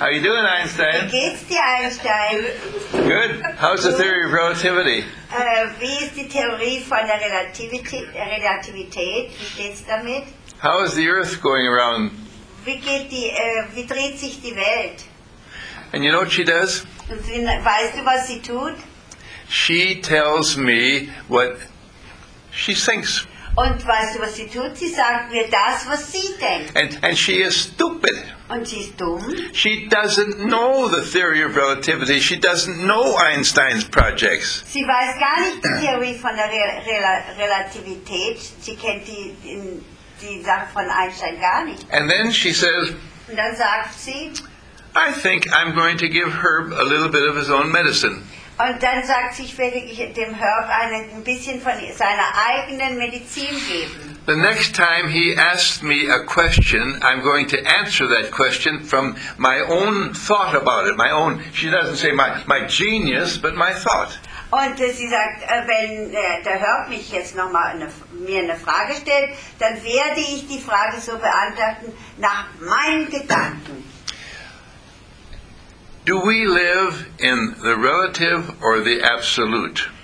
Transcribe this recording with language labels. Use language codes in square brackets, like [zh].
[en] How are you doing, Einstein? [de] Wie geht's dir, Einstein? [en] Good. How's the theory of relativity? [de] Wie ist die Theorie von der Relativität? Wie geht's damit? [en] How is the earth going around? [de] Wie dreht sich die Welt? [en] And you know what she does? [de] Weißt du, was sie tut? [en] She tells me what she thinks. [de] Und weißt du, was sie tut? Sie sagt mir das, was sie denkt. [en] And she is stupid. [de] Und sie ist dumm. [en] She doesn't know the theory of relativity. She doesn't know Einstein's projects. [de] Sie weiß gar nicht die Theorie von der Relativität. Sie kennt die in die Sache von Einstein gar nicht. [en] And then she says, [de] und dann sagt sie, [en] I think I'm going to give Herb a little bit of his own medicine. [de] Und dann sagt sie, ich werde dem Herb ein bisschen von seiner eigenen Medizin geben. [en] The next time he asks me a question, I'm going to answer that question from my own thought about it. My own, she doesn't say my genius, but my thought. [de] Und sie sagt, wenn der Herb mich jetzt nochmal eine Frage stellt, dann werde ich die Frage so beantworten nach meinen Gedanken. [en] Do we live in the relative or the absolute?